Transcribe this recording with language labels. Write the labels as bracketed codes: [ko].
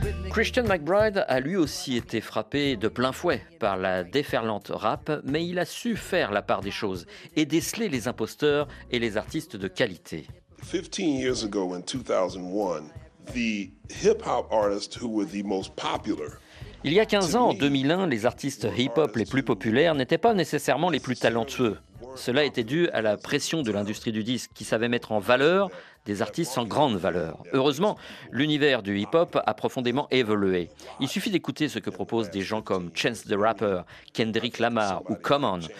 [fr] Christian McBride a lui aussi été frappé de plein fouet par la déferlante rap, mais il a su faire la part des choses et déceler les imposteurs et les artistes de qualité. [en] 15 years ago in 2001, the hip-hop artists who were the most popular. [fr] Il y a 15 ans, en 2001, les artistes hip-hop les plus populaires n'étaient pas nécessairement les plus talentueux. Cela était dû à la pression de l'industrie du disque qui savait mettre en valeur des artistes en grande valeur. Heureusement, l'univers du hip-hop a profondément évolué. Il suffit d'écouter ce que proposent des gens comme Chance the Rapper, Kendrick Lamar ou Common.